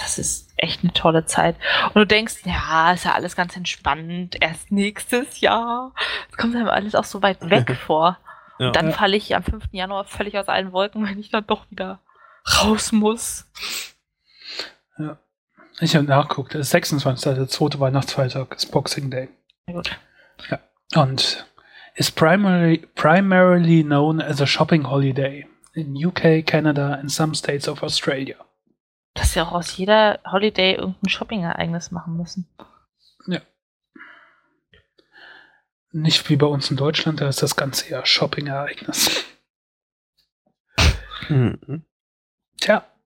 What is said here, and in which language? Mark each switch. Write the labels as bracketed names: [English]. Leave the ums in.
[German] Das ist echt eine tolle Zeit. Und du denkst, ja, ist ja alles ganz entspannt, erst nächstes Jahr. Es kommt einem alles auch so weit weg vor. Ja. Und dann Ja. falle ich am 5. Januar völlig aus allen Wolken, wenn ich dann doch wieder raus muss. Ich habe nachgeguckt, das ist 26. der zweite Weihnachtsfeiertag, ist Boxing Day. Na gut. [English] Und is primarily, primarily known as a shopping holiday in UK, Canada and some states of Australia. [German] Dass wir auch aus jeder Holiday irgendein Shopping-Ereignis machen müssen. Nicht wie bei uns in Deutschland, da ist das ganze Jahr Shopping-Ereignis. Mhm. Tja.